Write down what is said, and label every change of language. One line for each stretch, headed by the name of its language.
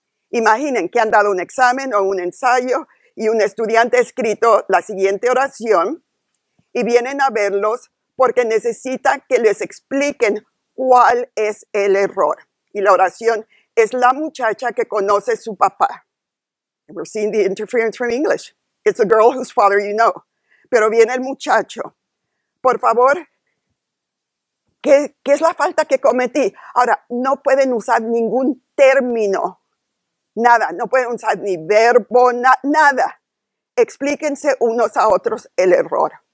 Spanish: Imaginen que han dado un examen o un ensayo y un estudiante ha escrito la siguiente oración y vienen a verlos porque necesitan que les expliquen cuál es el error. Y la oración es la muchacha que conoce su papá.
English: We're seeing the interference from English. It's a girl whose father you know.
Spanish: Pero viene el muchacho. Por favor, ¿Qué es la falta que cometí? Ahora, no pueden usar ningún término, nada. No pueden usar ni verbo, nada. Explíquense unos a otros el error.